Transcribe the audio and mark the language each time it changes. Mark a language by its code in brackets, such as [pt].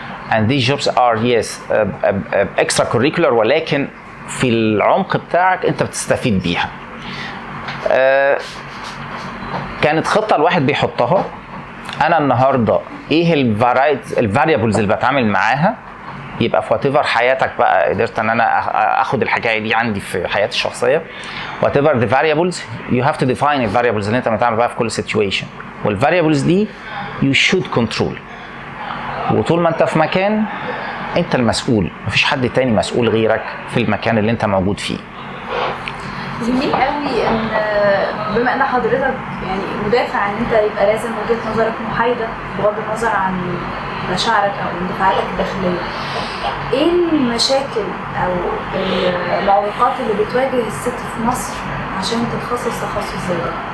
[en] And these jobs are yes extracurricular، [ar] ولكن في العمق بتاعك انت بتستفيد بيها. كانت خطة الواحد بيحطها، انا النهاردة ايه الفاريابلز اللي بتعامل معاها، يبقى في whatever حياتك بقى قدرت ان انا اخد الحكاية دي عندي في حياتي الشخصية. [en] Whatever the variables you have to define the variables [ar] اللي انت متعامل بقى في كل [en] situation، والvariables دي you should control. [ar] وطول ما انت في مكان انت المسؤول، مفيش حد تاني مسؤول غيرك في المكان اللي انت موجود فيه. جميل قوي ان بما ان حضرتك يعني مدافع ان انت يبقى لازم وجهة نظرك محايدة بغض النظر عن مشاعرك او اندفاعاتك الداخلية، ايه المشاكل او المعوقات اللي بتواجه الست في مصر عشان تتخصص تخصص زي ده؟